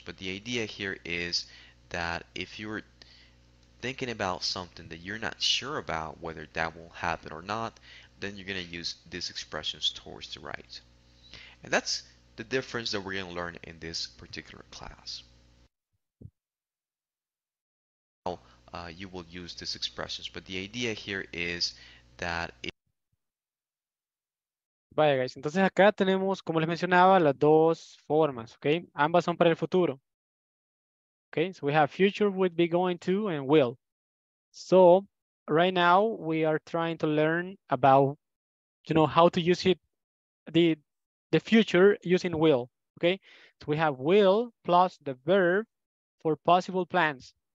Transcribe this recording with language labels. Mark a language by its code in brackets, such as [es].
[en] But the idea here is that if you're thinking about something that you're not sure about whether that will happen or not, then you're going to use these expressions towards the right. And that's the difference that we're going to learn in this particular class. You will use these expressions, but the idea here is that it... [es] Vaya, guys, entonces acá tenemos, como les mencionaba, las dos formas, okay? Ambas son para el futuro. [en] Okay, so we have future would be going to and will. So right now we are trying to learn about, you know, how to use it, the future using will. Okay, so we have will plus the verb for possible plans.